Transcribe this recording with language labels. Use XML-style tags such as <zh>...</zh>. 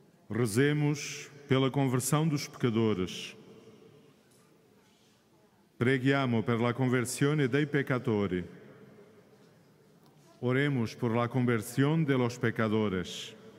<pt>Rezemos pela conversão dos pecadores.</pt> <it>Preghiamo per la conversione dei peccatori.</it> <es>Oremos por la conversione de los pecadores.</es>